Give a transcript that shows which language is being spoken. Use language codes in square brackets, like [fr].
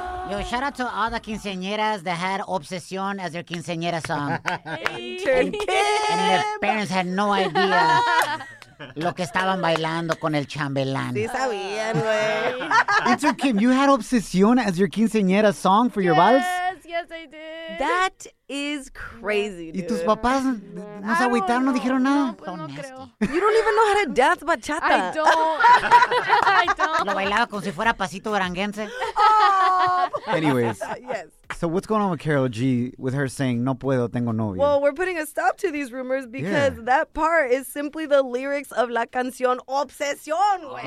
[en] Yo, shout out to all the quinceañeras that had Obsesión as their quinceañera song. And their parents had no idea [es] lo que estaban bailando con el chambelán. Sí sabían, güey. [en] It's okay. Kim, you had Obsesión as your quinceañera song for your vals? Yes, I did. That is crazy, dude. [es] ¿Y tus papás no se agüitaron, no dijeron nada? No, pues no creo. [en] You don't even know how to dance bachata. I don't. [es] Lo bailaba como si fuera pasito duranguense. [en] Oh. Anyways. Yes. So what's going on with Karol G with her saying, [es] no puedo, tengo novio? [en] Well, we're putting a stop to these rumors because that part is simply the lyrics of la canción Obsesión.